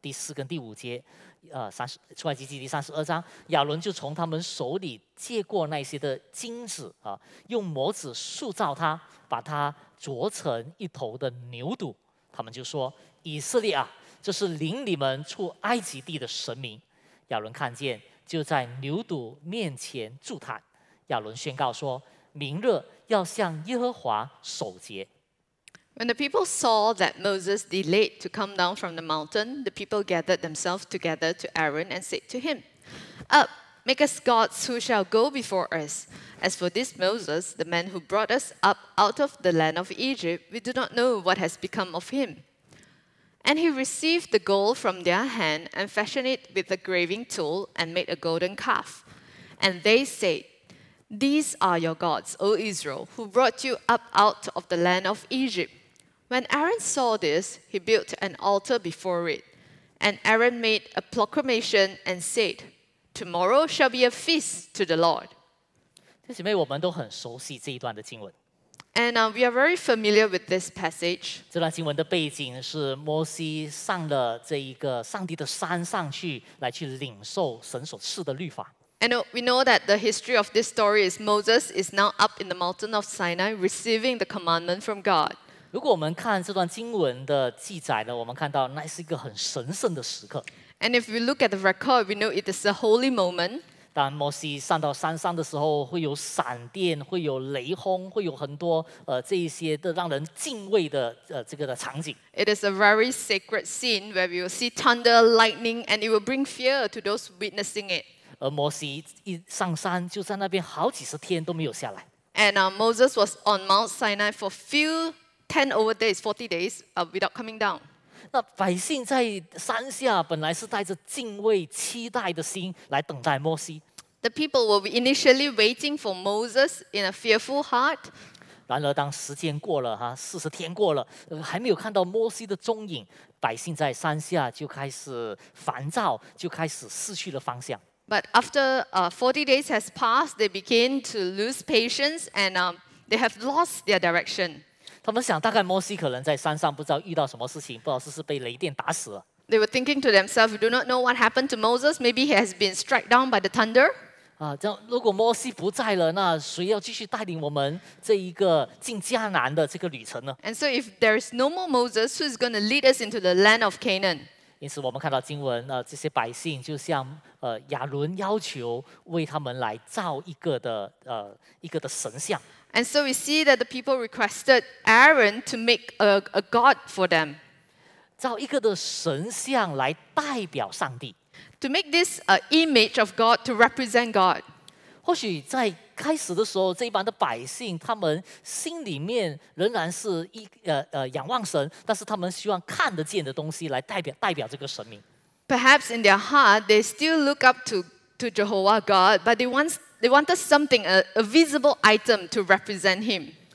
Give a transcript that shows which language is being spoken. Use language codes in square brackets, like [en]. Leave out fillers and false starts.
[zh] 第四跟第五节，出埃及记第三十二章，亚伦就从他们手里接过那些的金子啊，用模子塑造他，把他琢成一头的牛犊。他们就说：“以色列啊，这是领你们出埃及地的神明。” 亚伦看见，就在牛犊面前祝坛。亚伦宣告说：“明日要向耶和华守节。” [en] When the people saw that Moses delayed to come down from the mountain, the people gathered themselves together to Aaron and said to him, "Up, make us gods who shall go before us. As for this Moses, the man who brought us up out of the land of Egypt, we do not know what has become of him." And he received the gold from their hand and fashioned it with a graving tool and made a golden calf. And they said, "These are your gods, O Israel, who brought you up out of the land of Egypt." When Aaron saw this, he built an altar before it. And Aaron made a proclamation and said, "Tomorrow shall be a feast to the Lord." [zh] 弟兄姐妹，我们都很熟悉这一段的经文。 [en] And we are very familiar with this passage. [zh] 这段经文的背景是摩西上了这一个上帝的山上去，来去领受神所赐的律法。 [en] And we know that the history of this story is Moses is now up in the mountain of Sinai receiving the commandment from God. [zh] 如果我们看这段经文的记载呢，我们看到那是一个很神圣的时刻。 [en] And if we look at the record, we know it is a holy moment. [zh] 当摩西上到山上的时候，会有闪电，会有雷轰，会有很多这一些的让人敬畏的这个的场景。 [en] It is a very sacred scene where we will see thunder, lightning, and it will bring fear to those witnessing it. [zh] 而摩西一上山就在那边好几十天都没有下来。 [en] And Moses was on Mount Sinai for forty days, without coming down. [zh] 那百姓在山下本来是带着敬畏期待的心来等待摩西。 [en] The people were initially waiting for Moses in a fearful heart. [zh] 然而当时间过了四十天过了还没有看到摩西的踪影，百姓在山下就开始烦躁，就开始失去了方向。 [en] But after 40 days has passed, they begin to lose patience and they have lost their direction. [zh] 他们想大概摩西可能在山上不知道遇到什么事情，不知道是被雷电打死了。 [en] They were thinking to themselves, we do not know what happened to Moses. Maybe he has been struck down by the thunder. [zh] 啊，这样如果摩西不在了，那谁要继续带领我们这一个进迦南的这个旅程呢？ [en] And so if there is no more Moses, who is going to lead us into the land of Canaan? [zh] 因此我们看到经文，这些百姓就像亚伦要求为他们来造一个的一个的神像。 [en] And so we see that the people requested Aaron to make a god for them. [zh] 造一个的神像来代表上帝。 [en] To make this image of God to represent God. [zh] 或许在开始的时候，这一般的百姓他们心里面仍然是仰望神，但是他们希望看得见的东西来代表这个神明。 [en] Perhaps in their heart, they still look up to Jehovah God, but they wanted something, a visible item to represent him.